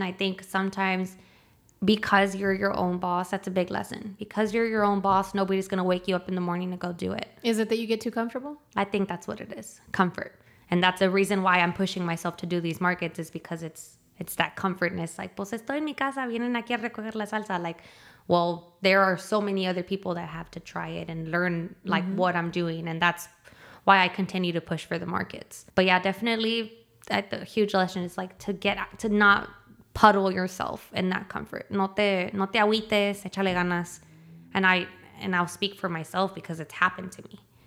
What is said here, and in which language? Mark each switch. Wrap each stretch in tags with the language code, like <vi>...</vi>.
<en>I think sometimes, because you're your own boss, that's a big lesson. Because you're your own boss, nobody's going to wake you up in the morning to go do it. Is it that you get too comfortable? I think that's what it is. Comfort. And that's a reason why I'm pushing myself to do these markets, is because it's that comfortness.</en> <es>Like, pues estoy en mi casa, vienen aquí a recoger la salsa.</es> <en>Like, well, there are so many other people that have to try it and learn, like, mm-hmm. what I'm doing. And that's why I continue to push for the markets. But yeah, definitely the huge lesson is like to get to not puddle yourself in that comfort.</en> <es>No te agüites, échale ganas.</es> <en>And I'll speak for myself because it's happened to me.</en>